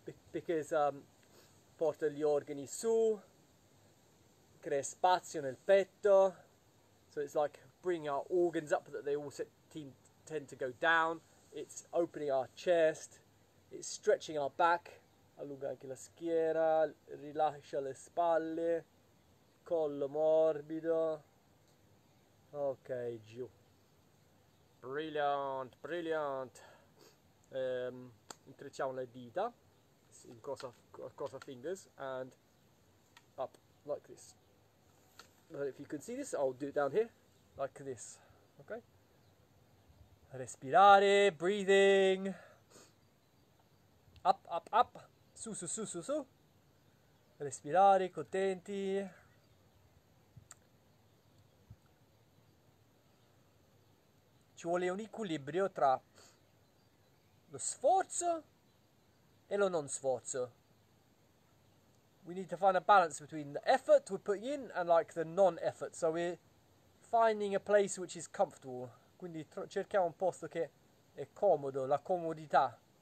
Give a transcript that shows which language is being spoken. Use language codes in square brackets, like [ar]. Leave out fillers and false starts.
[it] Because porta gli organi su, crea spazio nel petto. [en] So it's like bringing our organs up that they all tend to go down. It's opening our chest, it's stretching our back. [it] Allunga anche la schiena, rilascia le spalle, collo morbido. [en] Ok, giù. Brilliant, brilliant. [it] Intrecciamo le dita, [en] cross our fingers, and up like this. If you can see this, I'll do it down here, like this. [it] Okay? Respirare, [en] breathing. Up, up, up. [it] Su, su, su, su, su. Respirare, contenti. Ci vuole un equilibrio tra lo sforzo e lo non sforzo. [en] We need to find a balance between the effort we're putting in and like the non-effort. So we're finding a place which is comfortable. [it] Quindi cerchiamo un posto che è comodo, la comodità.